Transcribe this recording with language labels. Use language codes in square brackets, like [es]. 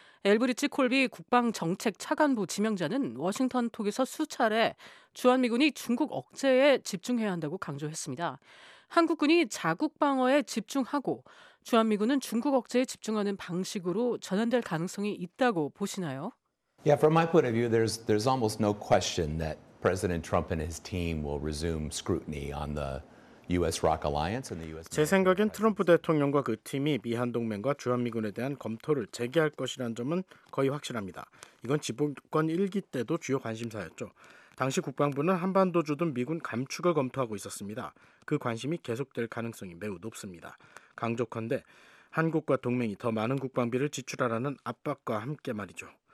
[ko] 엘브리치 콜비 국방정책 차관부 지명자는 워싱턴 톡에서 수차례 주한미군이 중국 억제에 집중해야 한다고 강조했습니다. 한국군이 자국 방어에 집중하고 주한미군은 중국 억제에 집중하는 방식으로 전환될 가능성이 있다고 보시나요? [en] Yeah, from my point of view, there's almost no question that President Trump and his team will resume scrutiny on the U.S. ROK alliance and the U.S. [ko] 제 생각엔 트럼프 대통령과 그 팀이 미한 동맹과 주한미군에 대한 검토를 재개할 것이라는 점은 거의 확실합니다. 이건 집권 1기 때도 주요 관심사였죠. 당시 국방부는 한반도 주둔 미군 감축을 검토하고 있었습니다. 그 관심이 계속될 가능성이 매우 높습니다. 강조컨대 한국과 동맹이 더 많은 국방비를 지출하라는 압박과 함께 말이죠.